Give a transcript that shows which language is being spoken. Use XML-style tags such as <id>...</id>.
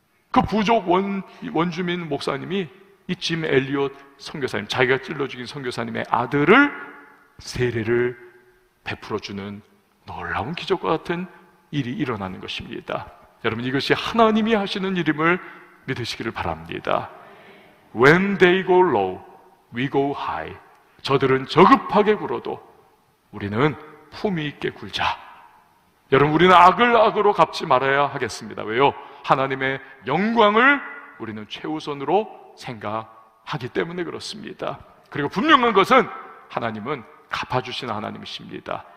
<ko>그 부족 원주민 목사님이 이 짐 엘리엇 선교사님, 자기가 찔러 죽인 선교사님의 아들을 세례를 베풀어주는 놀라운 기적과 같은 일이 일어나는 것입니다. 여러분, 이것이 하나님이 하시는 일임을 믿으시기를 바랍니다.</ko> <en>When they go low, we go high.</en> <ko>저들은 저급하게 굴어도 우리는 품위 있게 굴자. 여러분, 우리는 악을 악으로 갚지 말아야 하겠습니다. 왜요? 하나님의 영광을 우리는 최우선으로 생각하기 때문에 그렇습니다. 그리고 분명한 것은 하나님은 갚아주시는 하나님이십니다.</ko>